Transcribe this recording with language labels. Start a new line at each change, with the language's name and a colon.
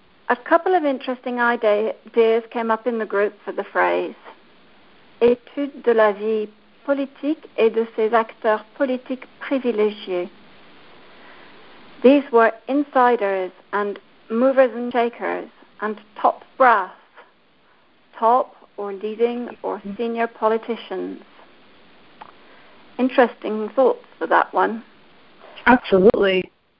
English: A couple of interesting ideas came up in the group for the phrase.
French: Étude de la vie politique et de ses acteurs politiques privilégiés.
English: These were insiders and movers and shakers and top brass, top or leading or senior politicians. Interesting thoughts for that one. Absolutely.